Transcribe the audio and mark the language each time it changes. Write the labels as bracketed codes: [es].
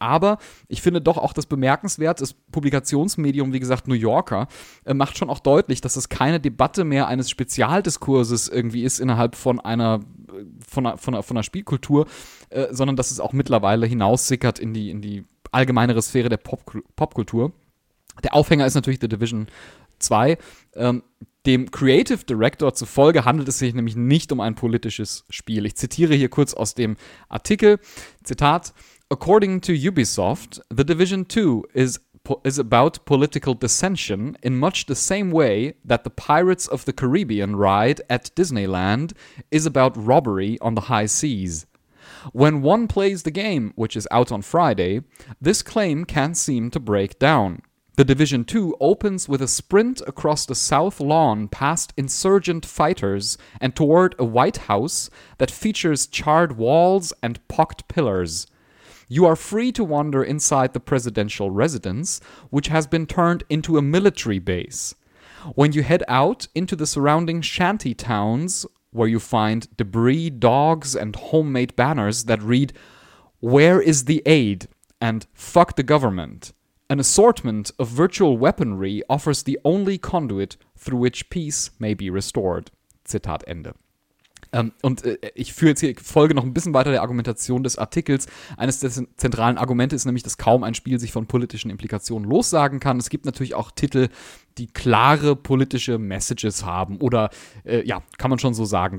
[de] Aber ich finde doch auch das bemerkenswert, das Publikationsmedium, wie gesagt, New Yorker, macht schon auch deutlich, dass es keine Debatte mehr eines Spezialdiskurses irgendwie ist innerhalb von einer Spielkultur, sondern dass es auch mittlerweile hinaussickert in die allgemeinere Sphäre der Popkultur. Der Aufhänger ist natürlich The Division 2. Dem Creative Director zufolge handelt es sich nämlich nicht um ein politisches Spiel. Ich zitiere hier kurz aus dem Artikel. [en] Zitat: According to Ubisoft, The Division 2 is about political dissension in much the same way that the Pirates of the Caribbean ride at Disneyland is about robbery on the high seas. When one plays the game, which is out on Friday, this claim can't seem to break down. The Division 2 opens with a sprint across the South Lawn past insurgent fighters and toward a White House that features charred walls and pocked pillars. You are free to wander inside the presidential residence, which has been turned into a military base. When you head out into the surrounding shanty towns, where you find debris, dogs, and homemade banners that read, "Where is the aid?" and "Fuck the government." An assortment of virtual weaponry offers the only conduit through which peace may be restored. [de] Zitat Ende. Ich führe jetzt hier Folge noch ein bisschen weiter der Argumentation des Artikels. Eines der zentralen Argumente ist nämlich, dass kaum ein Spiel sich von politischen Implikationen lossagen kann. Es gibt natürlich auch Titel, die klare politische Messages haben oder, kann man schon so sagen.